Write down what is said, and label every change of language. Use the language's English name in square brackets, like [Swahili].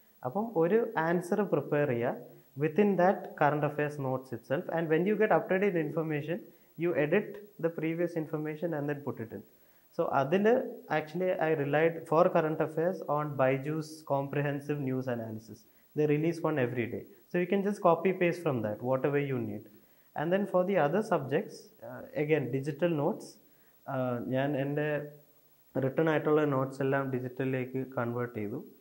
[Malayalam] അപ്പം ഒരു answer prepare ചെയ്യുക [English] Within that current affairs notes itself, and when you get updated information you edit the previous information and then put it in. So അതിൽ actually I relied for current affairs on Byju's comprehensive news analysis. They release one every day. So you can just copy paste from that, whatever you need. And then for the other subjects, again, digital notes. [Malayalam] ഞാൻ എൻ്റെ return ആയിട്ടുള്ള notes എല്ലാം ഡിജിറ്റലിലേക്ക് convert ചെയ്തു.